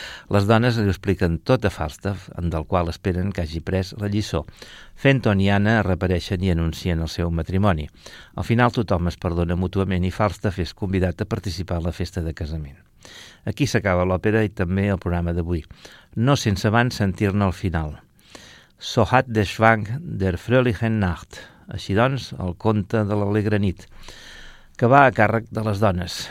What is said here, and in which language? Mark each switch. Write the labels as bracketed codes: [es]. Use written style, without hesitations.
[ca] Les dones li expliquen tot a Falstaff, del qual esperen que hagi pres la lliçó. Fenton i Anna reapareixen i anuncien el seu matrimoni. Al final tothom es perdona mútuament i Falstaff és convidat a participar a la festa de casament. Aquí s'acaba l'òpera i també el programa d'avui. No sense abans sentir-ne el final. [de] So hat der Schwang der fröhlichen Nacht. [ca] Així doncs, el conte de l'alegre nit, que va a càrrec de les dones.